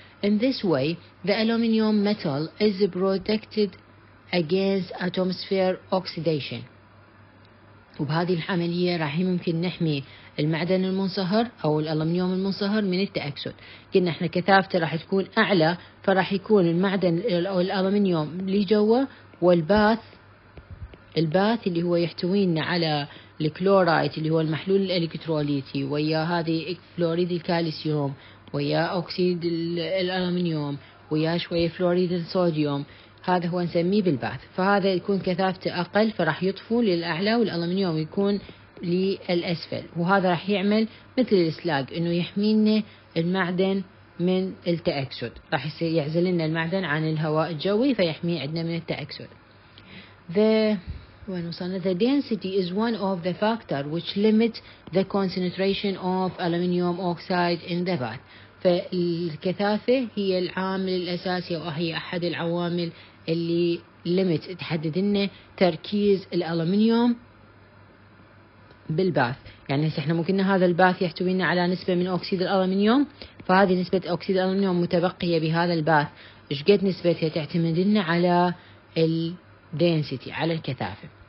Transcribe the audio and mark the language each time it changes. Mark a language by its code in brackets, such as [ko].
[en] In this way the aluminium metal is protected against atmosphere oxidation. [ar] وبهذه العملية راح يمكن نحمي المعدن المنصهر أو الألومنيوم المنصهر من التأكسد قلنا إحنا كثافته راح تكون أعلى فراح يكون المعدن أو الألومنيوم اللي جوه والباث اللي هو يحتوينا على الكلورايد اللي هو المحلول الإلكتروليتي ويا هذه فلوريد الكالسيوم ويا أكسيد الألومنيوم ويا شوية فلوريد الصوديوم هذا هو نسميه بالباث فهذا يكون كثافته أقل فراح يطفو للأعلى والألومنيوم يكون للأسفل، وهذا رح يعمل مثل الإسلاق إنه يحمينا المعدن من التأكسد، رح يعزل لنا المعدن عن الهواء الجوي فيحمي عندنا من التأكسد. [en] The density is one of the factors which limits the concentration of aluminium oxide in the bath. [ar] فالكثافة هي العامل الأساسي وهي أحد العوامل اللي limit تحدد لنا تركيز الألومنيوم بالباث. يعني إحنا ممكن هذا الباث يحتوي لنا على نسبة من أكسيد الألومنيوم، فهذه نسبة أكسيد الألومنيوم متبقية بهذا الباث إيش قد نسبتها تعتمد لنا على الدينسيتي على الكثافة.